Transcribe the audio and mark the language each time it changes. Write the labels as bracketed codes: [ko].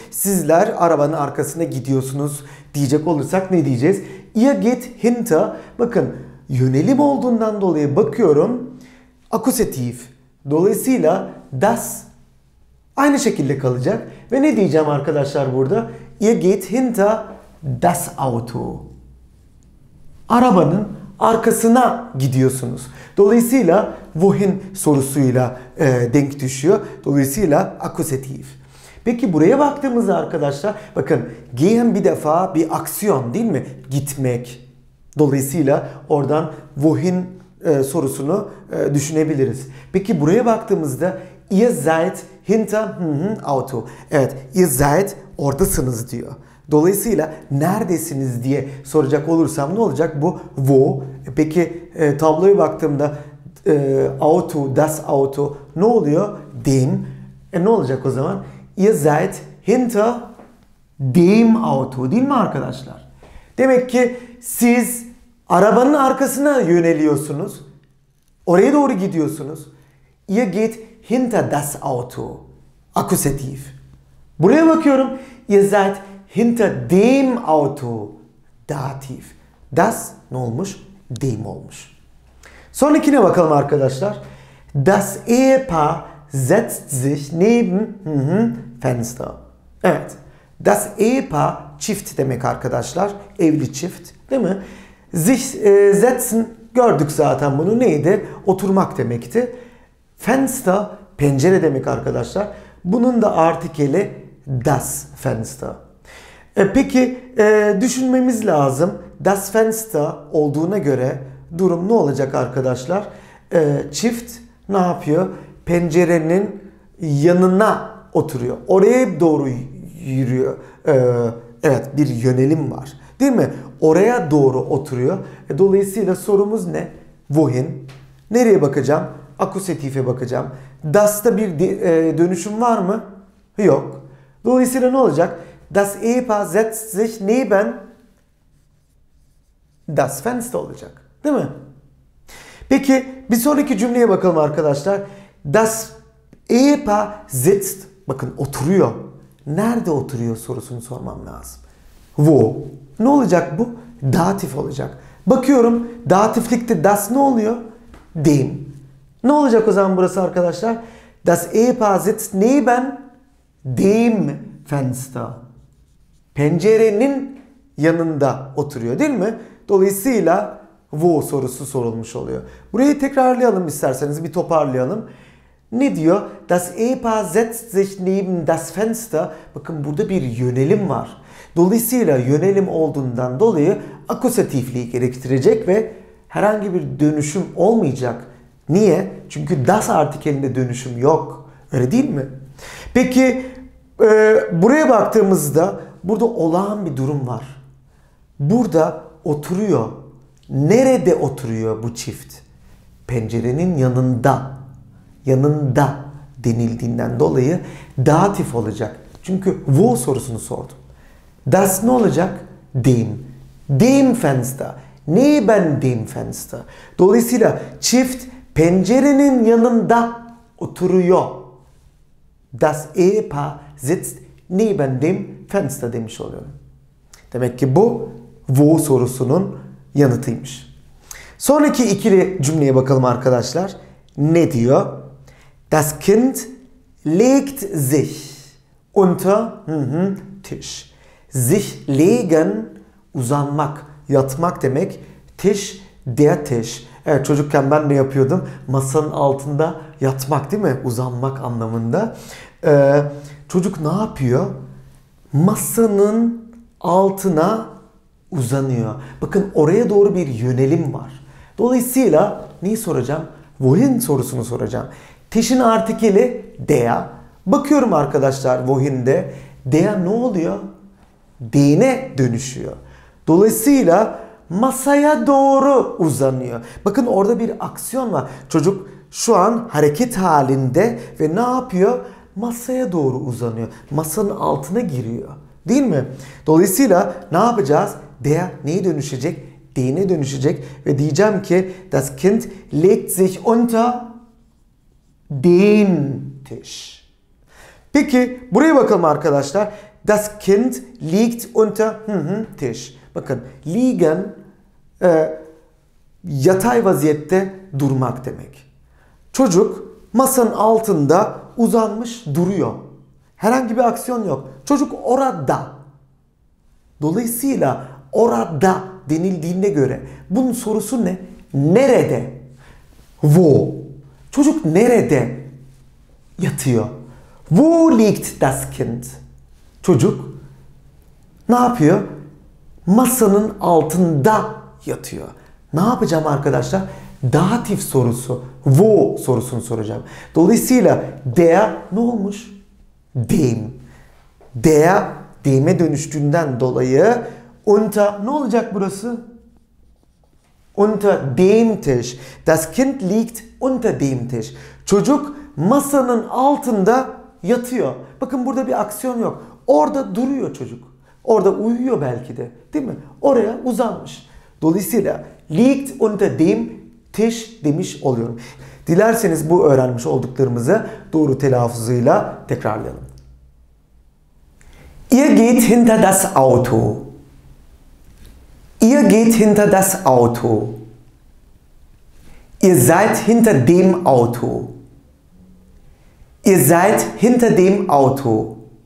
[tr] Sizler arabanın arkasına gidiyorsunuz diyecek olursak ne diyeceğiz? [de] Ihr geht hinter, [tr] bakın yönelim olduğundan dolayı bakıyorum akusatif. Dolayısıyla das aynı şekilde kalacak. Ve ne diyeceğim arkadaşlar burada? [de] Ihr geht hinter das Auto. [tr] Arabanın arkasına gidiyorsunuz. Dolayısıyla wohin sorusuyla denk düşüyor. Dolayısıyla akusatif. Peki buraya baktığımızda arkadaşlar bakın gehen bir defa bir aksiyon değil mi? Gitmek. Dolayısıyla oradan wohin sorusunu düşünebiliriz. Peki buraya baktığımızda [de] ihr seid hinter Auto. [tr] Evet, ihr seid oradasınız diyor. Dolayısıyla neredesiniz diye soracak olursam ne olacak? Bu wo. Peki tabloya baktığımda auto, [de] das auto [tr] ne oluyor? Dem. Ne olacak o zaman? [de] Ihr seid hinter dem auto, [tr] değil mi arkadaşlar? Demek ki siz arabanın arkasına yöneliyorsunuz. Oraya doğru gidiyorsunuz. [de] Ihr geht hinter das auto. Akkusativ. [tr] Buraya bakıyorum. [de] Ihr seid hinter dem auto. [tr] Dativ. Das ne olmuş? Dem olmuş. Sonrakine bakalım arkadaşlar. [de] Das Ehepaar setzt sich neben Fenster. [tr] Evet. Das Ehepaar çift demek arkadaşlar. Evli çift. Değil mi? Sich setzen gördük zaten bunu. Neydi? Oturmak demekti. Fenster pencere demek arkadaşlar. Bunun da artikeli das Fenster. Peki düşünmemiz lazım. Das Fenster olduğuna göre durum ne olacak arkadaşlar? Çift ne yapıyor? Pencerenin yanına oturuyor. Oraya doğru yürüyor. Evet, bir yönelim var. Değil mi? Oraya doğru oturuyor. Dolayısıyla sorumuz ne? Wohin? Nereye bakacağım? Akkusatife bakacağım. Das'ta bir dönüşüm var mı? Yok. Dolayısıyla ne olacak? [de] Das Ehepaar setzt sich neben das Fenster [tr] olacak. Değil mi? Peki bir sonraki cümleye bakalım arkadaşlar. [de] Das Ehepaar sitzt. [tr] Bakın oturuyor. Nerede oturuyor sorusunu sormam lazım. Wo. Ne olacak bu? Datif olacak. Bakıyorum datiflikte das ne oluyor? Dem. Ne olacak o zaman burası arkadaşlar? [de] Das Ehepaar sitzt neben dem Fenster. [tr] Pencerenin yanında oturuyor değil mi? Dolayısıyla wo sorusu sorulmuş oluyor. Burayı tekrarlayalım isterseniz, bir toparlayalım. Ne diyor? [de] Das Ehepaar setzt sich neben das Fenster. [tr] Bakın burada bir yönelim var. Dolayısıyla yönelim olduğundan dolayı akkusatifliği gerektirecek ve herhangi bir dönüşüm olmayacak. Niye? Çünkü das artikelinde dönüşüm yok. Öyle değil mi? Peki buraya baktığımızda burada olağan bir durum var. Burada oturuyor. Nerede oturuyor bu çift? Pencerenin yanında. Yanında denildiğinden dolayı datif olacak. Çünkü wo sorusunu sordum. Das ne olacak? Dem. Dem Fenster. [de] Neben dem Fenster. [tr] Dolayısıyla çift pencerenin yanında oturuyor. [de] Das Ehepaar sitzt neben dem Fenster [tr] demiş oluyorum. Demek ki bu wo sorusunun yanıtıymış. Sonraki ikili cümleye bakalım arkadaşlar. Ne diyor? [de] Das Kind legt sich unter Tisch. [tr] Sich legen, uzanmak, yatmak demek. [de] Tisch, der Tisch. [tr] Evet, çocukken ben de yapıyordum. Masanın altında yatmak değil mi? Uzanmak anlamında. Çocuk ne yapıyor? Masanın altına uzanıyor. Bakın oraya doğru bir yönelim var. Dolayısıyla neyi soracağım? Wohin sorusunu soracağım. Tisch'in artikeli der. Bakıyorum arkadaşlar wohin'de. Der ne oluyor? Dene dönüşüyor. Dolayısıyla masaya doğru uzanıyor. Bakın orada bir aksiyon var. Çocuk şu an hareket halinde ve ne yapıyor? Masaya doğru uzanıyor. Masanın altına giriyor. Değil mi? Dolayısıyla ne yapacağız? Der neye dönüşecek? Dene dönüşecek. Ve diyeceğim ki [de] das Kind legt sich unter den Tisch. [tr] Peki buraya bakalım arkadaşlar. [de] Das Kind liegt unter Tisch. [tr] Bakın liegen yatay vaziyette durmak demek. Çocuk masanın altında uzanmış duruyor. Herhangi bir aksiyon yok. Çocuk orada. Dolayısıyla orada denildiğine göre bunun sorusu ne? Nerede? Wo? Çocuk nerede yatıyor? [de] Wo liegt das Kind? [tr] Çocuk ne yapıyor? Masanın altında yatıyor. Ne yapacağım arkadaşlar? Datif sorusu, wo sorusunu soracağım. Dolayısıyla der ne olmuş? Dem. Der deyime dönüştüğünden dolayı unter, ne olacak burası? [de] Unter dem Tisch. Das Kind liegt unter dem Tisch. [tr] Çocuk masanın altında yatıyor. Bakın burada bir aksiyon yok. Orada duruyor çocuk. Orada uyuyor belki de. Değil mi? Oraya uzanmış. Dolayısıyla [de] liegt unter dem Tisch [tr] demiş oluyorum. Dilerseniz bu öğrenmiş olduklarımızı doğru telaffuzuyla tekrarlayalım. [de] Ihr geht hinter das Auto. Ihr geht hinter das Auto. Ihr seid hinter dem Auto. Ihr seid hinter dem Auto.